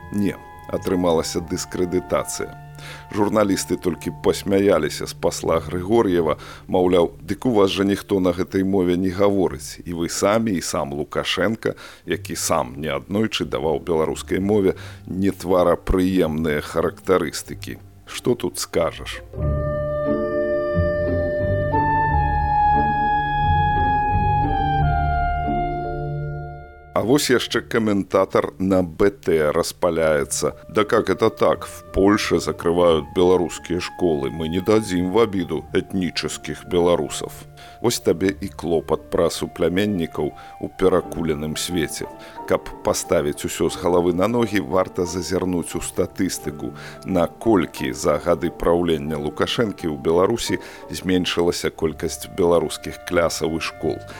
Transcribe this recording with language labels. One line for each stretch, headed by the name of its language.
Belarusian: Не, атрымалася дыскрэдытацыя. Журналісты толькі пасмяяліся з пасла Грыгор'ева, маўляў, дык у вас жа ніхто на гэтай мове не гаворыць, і вы самі, і сам Лукашэнка, які сам неаднойчы даваў беларускай мове нетвараприемныя характарыстыкі. Што тут скажаш? А вось яшчэ каментатар на БТ распаляецца.
Russian: Да как это так? В Польше закрывают беларускія школы. Мы не дадзім в абіду этнічэскіх беларусаў.
Belarusian: Вось табе і клопат пра супляменнікаў у перакуленым свеце. Каб паставіць усё з галавы на ногі, варта зазірнуць у статыстыку, наколькі за гады праўлення Лукашэнкі ў Беларусі зменшылася колькасць беларускіх клясаў і школ.